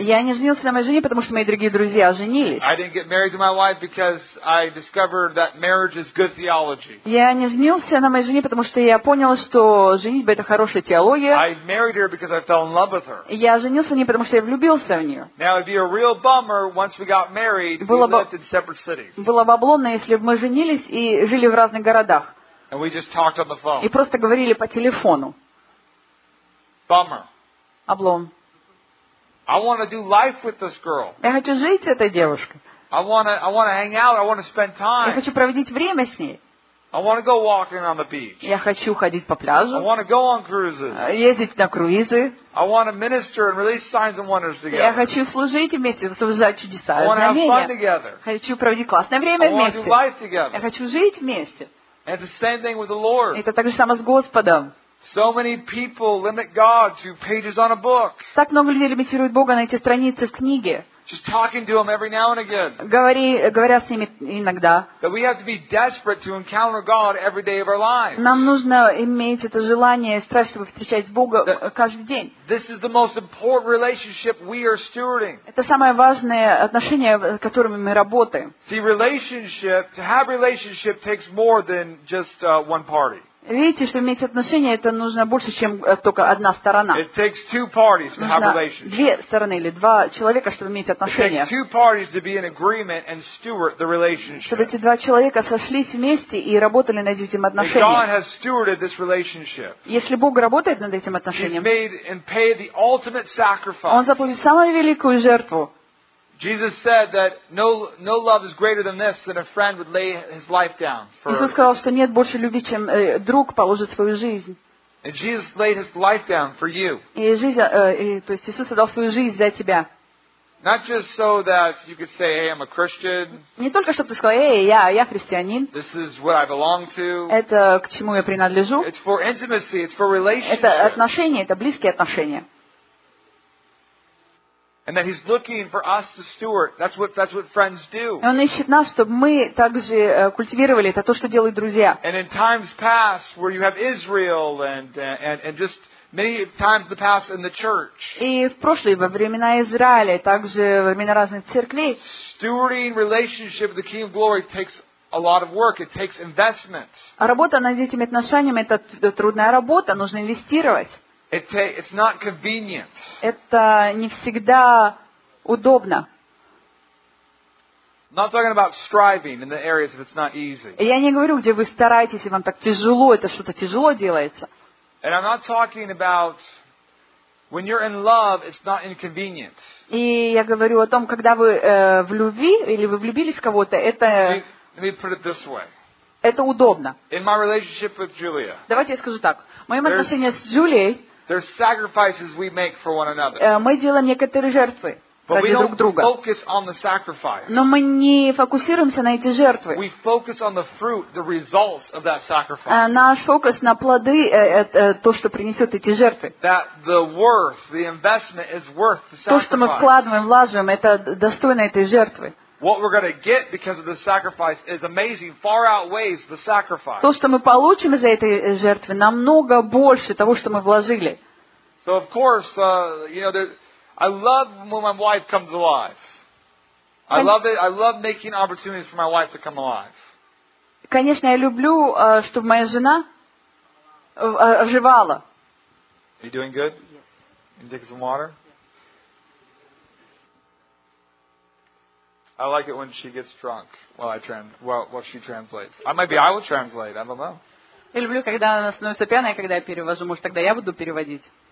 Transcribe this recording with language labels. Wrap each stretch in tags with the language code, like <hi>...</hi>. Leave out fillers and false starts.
<ru>Я не женился на моей жене, потому что мои другие друзья женились.</ru> <en>I didn't get married to my wife because I discovered that marriage is good theology.</en> <ru>Я не женился на моей жене, потому что я понял, что женитьба это хорошая теология.</ru> <en>I married her because I fell in love with her.</en> <ru>Я женился на ней, потому что я влюбился в нее.</ru> <en>Now it'd be a real bummer once we got married, we lived in separate cities.</en> <ru>Было бы обломно, если бы мы женились и жили в разных городах. И просто говорили по телефону.</ru> <en>Bummer.</en> <ru>Облом.</ru> <en>I want to do life with this girl.</en> <ru>Я хочу жить с этой девушкой.</ru> <en>I want to hang out. I want to spend time.</en> <ru>Я хочу проводить время с ней.</ru> <en>I want to go walking on the beach.</en> <ru>Я хочу ходить по пляжу.</ru> <en>I want to go on cruises.</en> <ru>Ездить на круизы.</ru> <en>I want to minister and release signs and wonders together.</en> <ru>Я хочу служить вместе, совершать чудеса и знамения.</ru> <en>I want to have fun together.</en> <ru>Хочу проводить классное время вместе.</ru> <en>I want to do life together.</en> <ru>Я хочу жить вместе.</ru> <en>And it's the same thing with the Lord.</en> <ru>Это так же самое с Господом.</ru> <en>So many people limit God to pages on a book.</en> <ru>Так много людей лимитируют Бога на эти страницы в книге.</ru> <en>Just talking to him every now and again.</en> <ru>Говоря с ними иногда.</ru> <en>That we have to be desperate to encounter God every day of our lives.</en> <ru>Нам нужно иметь это желание, страсть, чтобы встречать Бога каждый день.</ru> <en>This is the most important relationship we are stewarding.</en> <ru>Это самое важное отношение, которым мы работаем.</ru> <en>See, relationship, to have relationship takes more than just one party.</en> <ru>Видите, что иметь отношения, это нужно больше, чем только одна сторона.</ru> <en>It takes two parties to have relationships.</en> <ru>Нужно две стороны или два человека, чтобы иметь отношения.</ru> <en>It takes two parties to be in agreement and steward the relationship.</en> <ru>Чтобы эти два человека сошлись вместе и работали над этим отношением.</ru> <en>And God has stewarded this relationship.</en> <ru>Если Бог работает над этим отношением,</ru> <en>He's made and paid the ultimate sacrifice.</en> <ru>Он заплатит самую великую жертву.</ru> <en>Jesus said that no love is greater than this than a friend would lay his life down for.</en> <ru>Иисус сказал, что нет больше любви, чем друг положит свою жизнь.</ru> <en>And Jesus laid his life down for you.</en> <ru>То есть Иисус отдал свою жизнь за тебя.</ru> <en>Not just so that you could say, "Hey, I'm a Christian."</en> <ru>Не только чтобы ты сказал, "Эй, я христианин."</ru> <en>This is what I belong to.</en> <ru>Это к чему я принадлежу.</ru> <en>It's for intimacy. It's for relationship.</en> <ru>Это отношения. Это близкие отношения.</ru> <en>And that he's looking for us to steward. That's what friends do.</en> <ru>Он ищет нас, чтобы мы также культивировали это то, что делают друзья.</ru> <en>And in times past, where you have Israel and just many times in the past in the church.</en> <ru>И в прошлые во времена Израиля, также во времена разных церквей.</ru> <en>Stewarding relationship with the King of Glory takes a lot of work. It takes investment.</en> <ru>А работа над этими отношениями это трудная работа, нужно инвестировать.</ru> <en>It's not convenient.</en> <ru>Это не всегда удобно.</ru> <en>I'm not talking about striving in the areas if it's not easy.</en> <ru>Я не говорю, где вы стараетесь, и вам так тяжело, это что-то тяжело делается.</ru> <en>And I'm not talking about when you're in love, it's not inconvenient.</en> <ru>И я говорю о том, когда вы в любви или вы влюбились в кого-то, это.</ru> <en>Let me put it this way.</en> <ru>Это удобно.</ru> <en>In my relationship with Julia.</en> <ru>Давайте я скажу так. В моем отношении с Джулией.</ru> <en>There's sacrifices we make for one another.</en> <ru>Мы делаем некоторые жертвы ради друг друга.</ru> <en>Focus on the sacrifice.</en> <ru>Но мы не фокусируемся на эти жертвы.</ru> <en>We focus on the fruit, the results of that sacrifice.</en> <ru>Наш фокус на плоды, то, что принесет эти жертвы.</ru> <en>That the worth, the investment is worth the sacrifice.</en> <ru>То, что мы вкладываем, вложим, это достойно этой жертвы.</ru> <en>What we're going to get because of the sacrifice is amazing, far outweighs the sacrifice.</en> <ru>То, что мы получим из-за этой жертвы, намного больше того, что мы вложили.</ru> <en>So of course, you know, I love when my wife comes alive. I love it. I love making opportunities for my wife to come alive.</en> <ru>Конечно, я люблю, чтобы моя жена оживала.</ru> <en>Are you doing good? Yes. You can take some water? I like it when she gets drunk while she translates. I will translate. I don't know.</en> <ru>Я люблю, когда она становится пьяной, когда я перевожу. Может, тогда я буду переводить.</ru>